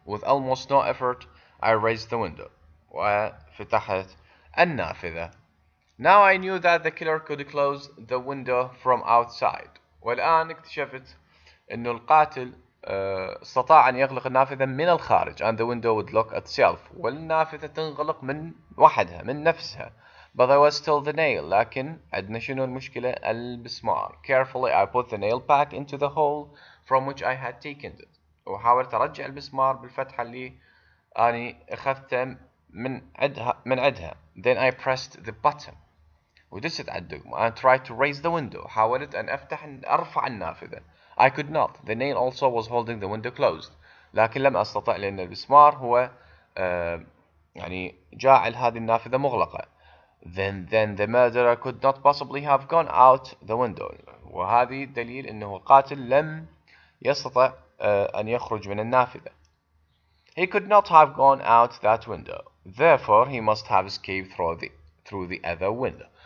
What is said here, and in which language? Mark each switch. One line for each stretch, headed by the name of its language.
English: With almost no effort I raised the window.
Arabic: وفتحت النافذة.
English: Now I knew that the killer could close the window from outside.
Arabic: والآن اكتشفت انه القاتل استطاع ان يغلق النافذة من الخارج.
English: And the window would lock itself.
Arabic: والنافذة تنغلق من وحدها من نفسها.
English: But there was still the nail.
Arabic: لكن عندنا شنو المشكلة؟ البسمار.
English: Carefully I put the nail back into the hole from which I had taken it.
Arabic: وحاولت ارجع المسمار بالفتحه اللي اني اخذته من عدها.
English: Then I pressed the button.
Arabic: ودست على الدقمة.
English: I tried to raise the window.
Arabic: حاولت ان افتح ارفع النافذه.
English: I could not. The nail also was holding the window closed.
Arabic: لكن لم استطع لان المسمار هو يعني جاعل هذه النافذه مغلقه.
English: Then the murderer could not possibly have gone out the window.
Arabic: وهذه دليل انه القاتل لم يستطع أن يخرج من النافذة.
English: He could not have gone out that window. Therefore, he must have escaped through the other window.